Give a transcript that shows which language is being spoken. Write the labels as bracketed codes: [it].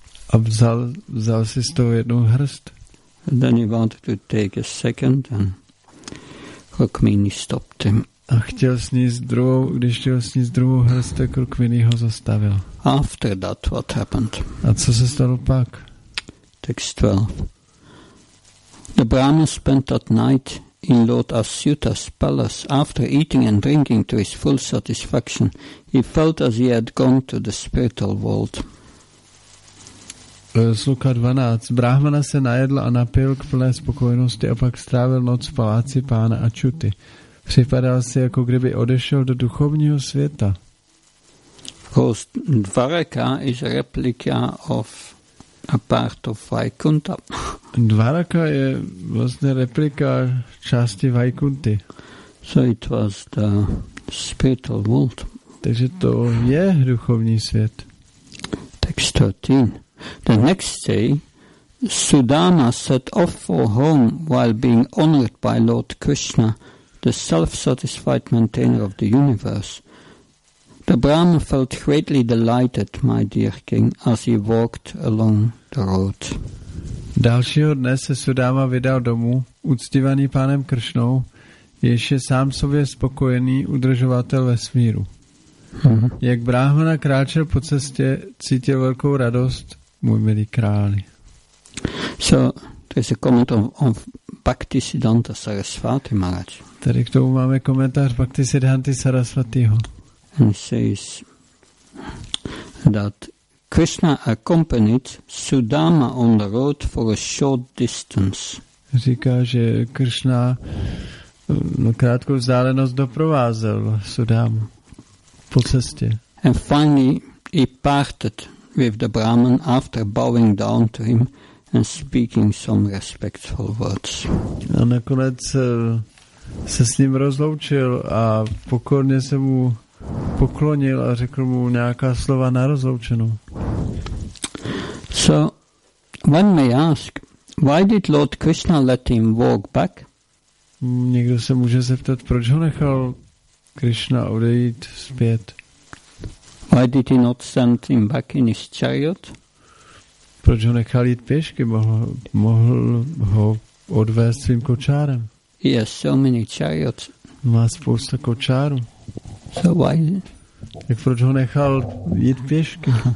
[cs] A vzal si z toho jednu hrst. [en] And then he wanted to take a second and Rukmini stopped him. [cs] A chtěl sníst druhou, když chtěl sníst druhou hrst, tak Rukmini ho zastavil. [en] After that, what happened? [cs] A co se stalo pak? [en] Text 12. The Brahma spent that night in Lord Asyuta's palace, after eating and drinking to his full satisfaction, he felt as he had gone to the spiritual world. [cs] Sluka 12. Brahmana se najedl a napil k plné spokojenosti a pak strávil noc v paláci pána Ačuty. Připadal si, jako kdyby odešel do duchovního světa. [en] Dvaraka is a replica of a part of Vaikuntha. [cs] Dvaraka je vlastně replika části Vaikunty. [en] So it was the spiritual world. [cs] Takže to je duchovní svět. [en] Text 13. The next day, Sudama set off for home while being honored by Lord Krishna, the self-satisfied maintainer of the universe. The Brahma felt greatly delighted, my dear king, as he walked along the road. [cs] Dalšího dne se Sudama vydal domů, uctívaný pánem Kršnou, jež je sám sobě spokojený udržovatel vesmíru. Jak Brahmana kráčel po cestě, cítil velkou radost, můj milý králi. [en] So, there's a comment of Bhaktisiddhanta Sarasvati Maharaj. [cs] Tady k tomu máme komentář Bhaktisiddhanty Sarasvatiho. [en] He says that Krishna accompanied Sudama on the road for a short distance. [cs] Říká, že Krishna krátkou vzdálenost doprovázel Sudamu po cestě. [en] And finally he parted with the Brahman after bowing down to him and speaking some respectful words. [cs] A nakonec se s ním rozloučil a pokorně se mu poklonil a řekl mu nějaká slova na rozloučenou. [en] So, one may ask, why did Lord Krishna let him walk back? [cs] Někdo se může zeptat, proč ho nechal Krishna odejít zpět? [en] Why did he not send him back in his chariot? [cs] Proč ho nechal jít pěšky? Mohl ho odvést svým kočárem? [en] He has so many chariots. [cs] Má spousta kočáru. [en] So why? [cs] Tak proč ho nechal jít pěšky?